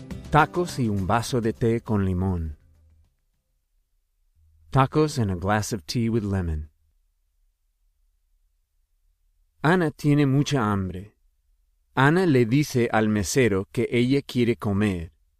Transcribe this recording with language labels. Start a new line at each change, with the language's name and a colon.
Spanish: Tacos y un vaso de té con limón.
English: Tacos and a glass of tea with lemon.
Spanish: Anna tiene mucha hambre. Anna le dice al mesero que ella quiere comer.